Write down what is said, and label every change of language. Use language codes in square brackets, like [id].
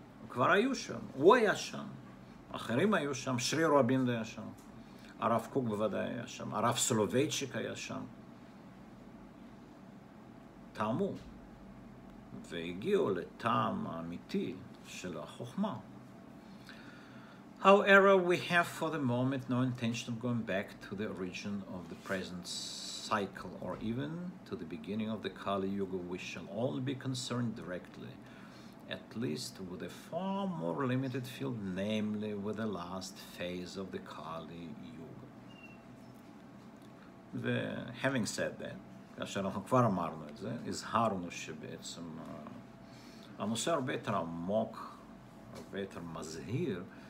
[he] כבר היו שם, הוא היה שם. אחרים היו שם, שרי רבין היה שם. הרב קוק בוודאי היה שם, הרב סולובייצ'יק היה שם. טעמו. והגיעו לטעם האמיתי של החוכמה. [en] However, we have for the moment no intention of going back to the origin of the present cycle or even to the beginning of the Kali Yuga. We shall all be concerned directly, at least with a far more limited field, namely with the last phase of the Kali Yuga. Having said that, [he] כאשר אנחנו כבר אמרנו את זה, הזהרנו שבעצם הנושא הרבה יותר עמוק, הרבה יותר מזהיר.